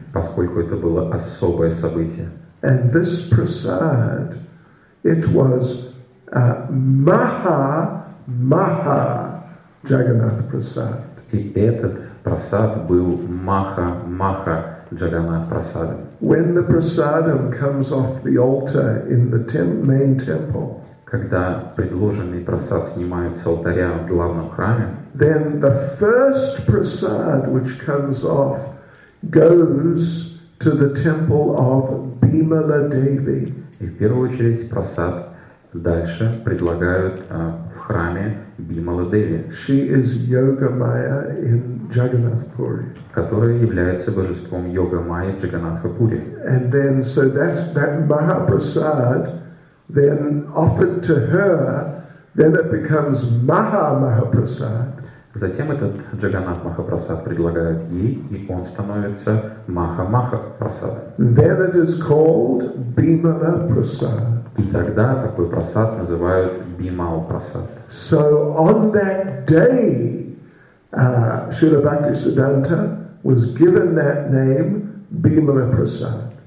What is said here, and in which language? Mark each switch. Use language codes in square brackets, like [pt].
[ru] Поскольку это было особое событие. [en] And this prasad, it was Maha Maha Jagannath prasad. [ru] И этот прасад был Маха Маха Джаганнат прасад. [en] When the prasadam comes off the altar in the main temple, [ru] когда предложенный прасад снимают с алтаря в главном храме, [en] then the first prasad which comes off goes to the temple of Bimala Devi. [ru] И в первую очередь прасад дальше предлагают в храме Бимала Деви. [en] She is Yoga Maya in Jagannath Puri. [ru] Которая является божеством Йога Майя в Джаганнатха Пури. [en] And then, so that Mahaprasad then offered to her, then it becomes Maha Mahaprasad. [ru] Затем этот Джаганнат Махапрасад предлагает ей, и он становится Маха-Маха-Прасадом. [en] Then it is called Bimala Prasad. [ru] И тогда такой прасад называют Бимал-Прасад. [en] So on that day, Śrīla Bhaktisiddhānta was given that name Bimala Prasad.